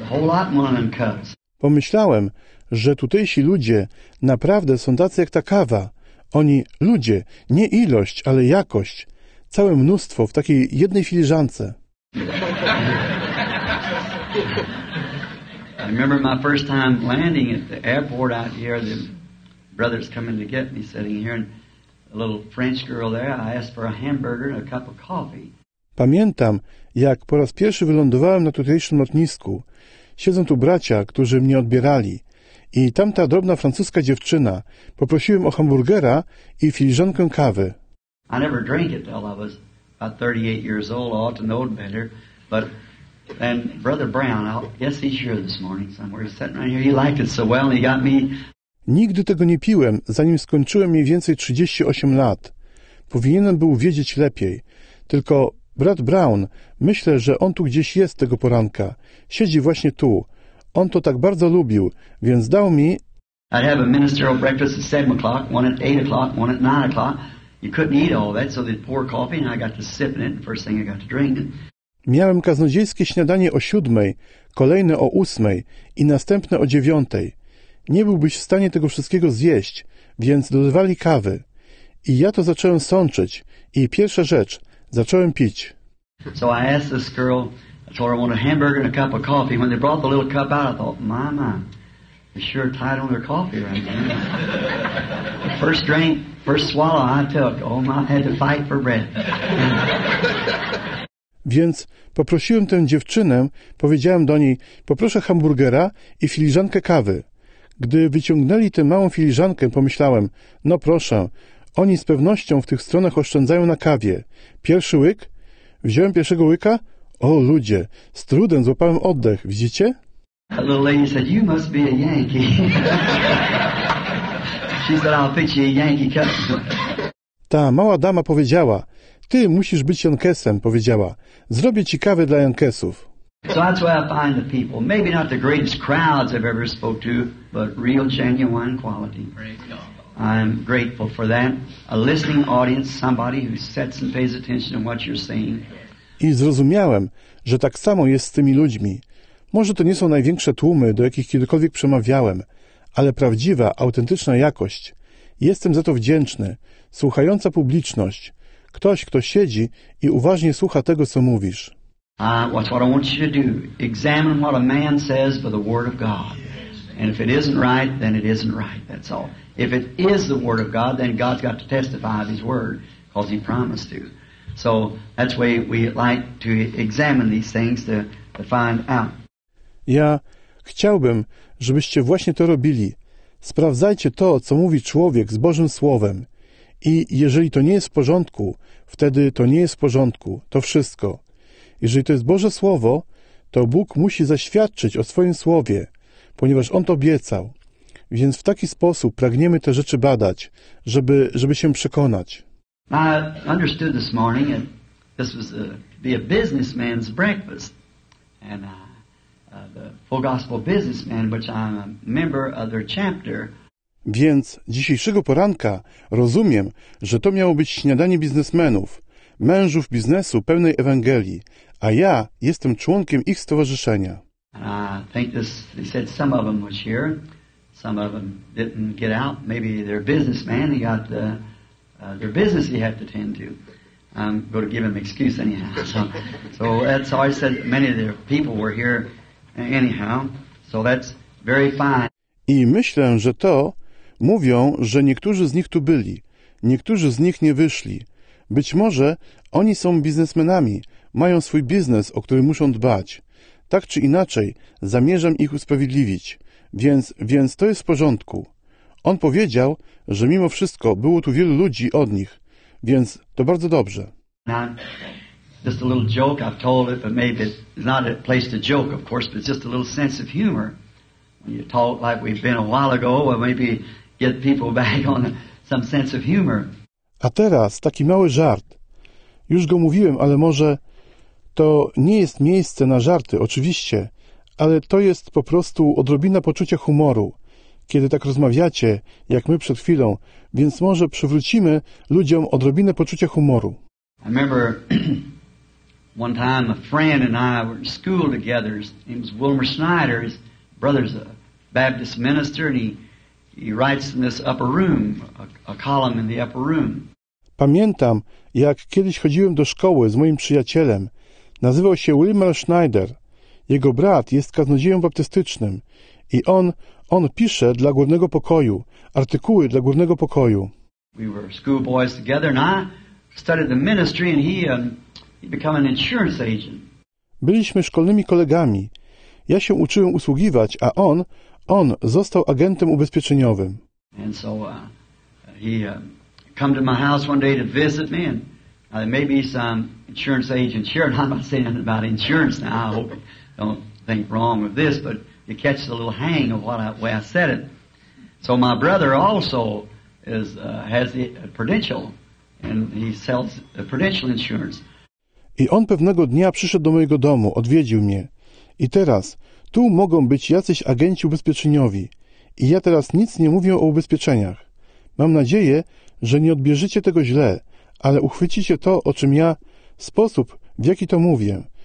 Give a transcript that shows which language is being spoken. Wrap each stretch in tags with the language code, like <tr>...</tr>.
<en>A whole lot in one of them cups.</en> <pl>Pomyślałem, że tutejsi ludzie naprawdę są tacy jak ta kawa. Oni ludzie, nie ilość, ale jakość. Całe mnóstwo w takiej jednej filiżance.</pl> <en>I remember my first time landing at the airport out here, the brothers coming to get me, sitting here, and a little French girl there, I asked for a hamburger and a cup of coffee.</en> <pl>Pamiętam, jak po raz pierwszy wylądowałem na tutejszym lotnisku. Siedzą tu bracia, którzy mnie odbierali. I tamta drobna francuska dziewczyna. Poprosiłem o hamburgera i filiżankę kawy.</pl> <en>I never drank it till I was about 38 years old. I ought to know better. But then Brother Brown, I guess he's here this morning somewhere. He's sitting right here. He liked it so well. He got me.</en> <pl>Nigdy tego nie piłem, zanim skończyłem mniej więcej 38 lat. Powinienem był wiedzieć lepiej. Tylko brat Brown, myślę, że on tu gdzieś jest tego poranka. Siedzi właśnie tu. On to tak bardzo lubił, więc dał mi...</pl> <en>I'd have a ministerial breakfast at 7 o'clock, one at 8 o'clock, one at 9 o'clock. You couldn't eat all that, so they'd pour coffee and I got to sip it, the first thing I got to drink.</en> <pl>Miałem kaznodziejskie śniadanie o 7, kolejne o 8 i następne o 9. Nie byłbyś w stanie tego wszystkiego zjeść, więc dodawali kawy. I ja to zacząłem sączyć i pierwsza rzecz... Zacząłem pić.</pl> <en>So I asked this girl, I told her I want a hamburger and a cup of coffee. When they brought the little cup out, I thought, my, they sure tied on their coffee right now. First drink, first swallow I took, oh my, I had to fight for breath.</en> <pl>Więc poprosiłem tę dziewczynę, powiedziałem do niej, poproszę hamburgera i filiżankę kawy. Gdy wyciągnęli tę małą filiżankę, pomyślałem, no proszę, oni z pewnością w tych stronach oszczędzają na kawie. Pierwszy łyk? Wziąłem pierwszego łyka? O ludzie, z trudem złapałem oddech, widzicie?</pl> <en>A little lady said, you must be a Yankee. She said, I'll pitch you a Yankee cup.</en> <pl>Ta mała dama powiedziała, ty musisz być Yankeesem, powiedziała. Zrobię ci kawę dla Yankeesów.</pl> <en>So that's where I find the people. Maybe not the greatest crowds I've ever spoke to, but real genuine quality. I'm grateful for that. A listening audience, somebody who sits and pays attention to what you're saying.</en> <pl>I zrozumiałem, że tak samo jest z tymi ludźmi. Może to nie są największe tłumy, do jakich kiedykolwiek przemawiałem, ale prawdziwa, autentyczna jakość. Jestem za to wdzięczny. Słuchająca publiczność. Ktoś, kto siedzi i uważnie słucha tego, co mówisz.</pl> <en>What I want you to do. Examine what a man says for the word of God. And if it isn't right, then it isn't right. That's all. If it is the word of God, then God's got to testify of his word, because he promised to. So that's why we like to examine these things to find out.</en> <pl>Ja chciałbym, żebyście właśnie to robili. Sprawdzajcie to, co mówi człowiek z Bożym Słowem. I jeżeli to nie jest w porządku, wtedy to nie jest w porządku. To wszystko. Jeżeli to jest Boże Słowo, to Bóg musi zaświadczyć o swoim Słowie, ponieważ On to obiecał. Więc w taki sposób pragniemy te rzeczy badać, żeby się przekonać.</pl> <en>I understood this morning that this was a businessman's breakfast. And the full gospel businessman, which I'm a member of their chapter.</en> <pl>Więc dzisiejszego poranka rozumiem, że to miało być śniadanie biznesmenów, mężów biznesu pełnej Ewangelii, a ja jestem członkiem ich stowarzyszenia.</pl> <en>And I think this, they said some of them was here. Some of them didn't get out. Maybe their businessman, he got their business he had to tend to. I'm going to give him excuse anyhow. So that's all I said. Many of their people were here anyhow. So that's very fine.</en> <pl>I myślę, że to mówią, że niektórzy z nich tu byli. Niektórzy z nich nie wyszli. Być może oni są biznesmenami, mają swój biznes, o który muszą dbać. Tak czy inaczej, zamierzam ich usprawiedliwić. Więc to jest w porządku. On powiedział, że mimo wszystko było tu wielu ludzi od nich, więc to bardzo dobrze.</pl> <en>Just a little joke, I've told it, but maybe it's not a place to joke, of course, but just a little sense of humor. When you talk like we've been a while ago, well, maybe get people back on some sense of humor.</en> <pl>A teraz taki mały żart. Już go mówiłem, ale może to nie jest miejsce na żarty, oczywiście, ale to jest po prostu odrobina poczucia humoru, kiedy tak rozmawiacie, jak my przed chwilą, więc może przywrócimy ludziom odrobinę poczucia humoru.</pl> <en>I remember one time a friend and I were in school together. His name was Wilmer Snyder. His brother's a Baptist minister and he writes in this upper room, a column in the upper room.</en> <pl>Pamiętam, jak kiedyś chodziłem do szkoły z moim przyjacielem. Nazywał się Wilmer Snyder. Jego brat jest kaznodzieją baptystycznym i on pisze dla Górnego Pokoju, artykuły dla Górnego Pokoju.</pl> <en>We were schoolboys together and I studied the ministry and he became an insurance agent.</en> <pl>Byliśmy szkolnymi kolegami. Ja się uczyłem usługiwać, a on został agentem ubezpieczeniowym.</pl> <en>And so he came to my house one day to visit me and maybe some insurance agent here, and I'm not saying anything about insurance now. I hope you don't think wrong of this, but you catch the little hang of the way I said it. So my brother also has the Prudential, and he sells the Prudential insurance.</en> <pl>I on pewnego dnia przyszedł do mojego domu, odwiedził mnie. I teraz, tu mogą być jacyś agenci ubezpieczeniowi. I ja teraz nic nie mówię o ubezpieczeniach. Mam nadzieję, że nie odbierzecie tego źle, ale uchwycicie to, o czym ja, sposób, w jaki to mówię.</pl>